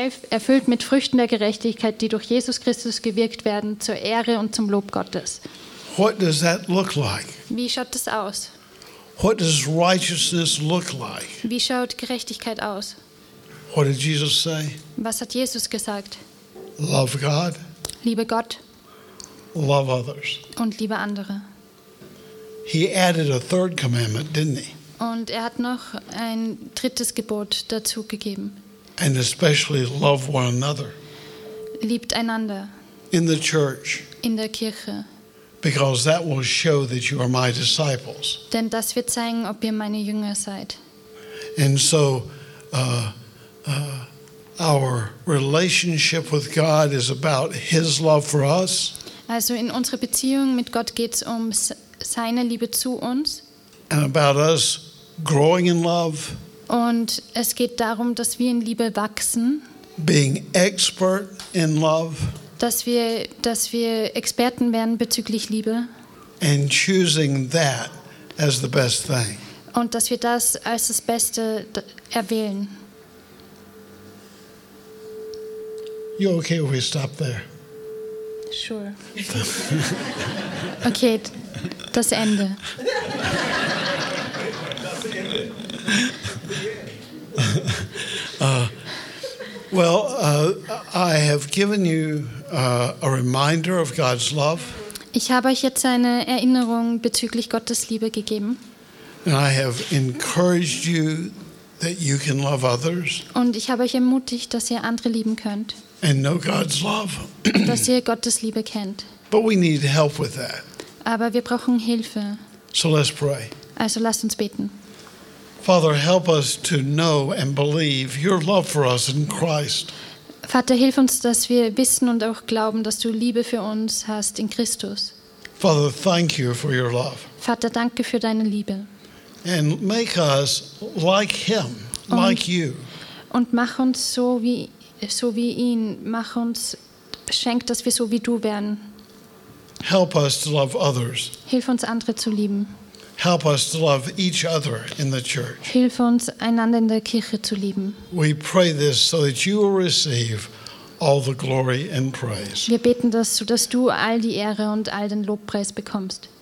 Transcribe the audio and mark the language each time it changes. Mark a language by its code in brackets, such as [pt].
[de] Erfüllt mit Früchten der Gerechtigkeit, die durch Jesus Christus gewirkt werden, zur Ehre und zum Lob Gottes. [en] What does that look like? [de] Wie schaut das aus? [en] What does righteousness look like? [de] Wie schaut Gerechtigkeit aus? [en] What did Jesus say? [de] Was hat Jesus gesagt? [en] Love God. [de] Liebe Gott. [en] Love others. [de] Und liebe andere. [en] He added a third commandment, didn't he? [de] Und er hat noch ein drittes Gebot dazu gegeben. [en] And especially love one another. [de] Liebt einander. [en] In the church. [de] In der Kirche. [en] Because that will show that you are my disciples. [de] Denn das wird zeigen, ob ihr meine Jünger seid. [en] And so our relationship with God is about his love for us. [de] Also in unserer Beziehung mit Gott geht's um seine Liebe zu uns. [en] And about us growing in love. [de] Und es geht darum, dass wir in Liebe wachsen. [en] Being expert in love. [de] Dass wir Experten werden bezüglich Liebe. [en] And choosing that as the best thing. [de] Und dass wir das als das Beste erwählen. [en] You okay if we stop there? Sure. [de] Okay, das Ende. [en] I have given you a reminder of God's love. [de] Ich habe euch jetzt eine Erinnerung bezüglich Gottes Liebe gegeben. [en] And I have encouraged you that you can love others. [de] Und ich habe euch ermutigt, dass ihr andere lieben könnt. [en] And know God's love. [de] Dass ihr Gottes Liebe kennt. [en] But we need help with that. [de] Aber wir brauchen Hilfe. [en] So let's pray. [de] Also lasst uns beten. [en] Father, help us to know and believe your love for us in Christ. [de] Vater, hilf uns, dass wir wissen und auch glauben, dass du Liebe für uns hast in Christus. [en] Father, thank you for your love. [de] Vater, danke für deine Liebe. [en] And make us like him, like you. [de] Und mach uns so wie ihn. Mach uns, schenk, dass wir so wie du werden. [en] Help us to love others. [de] Hilf uns, andere zu lieben. [en] Help us to love each other in the church. [de] Hilf uns, einander in der Kirche zu lieben. [en] We pray this so that you will receive all the glory and praise. [de] Wir beten das, so dass du all die Ehre und all den Lobpreis bekommst.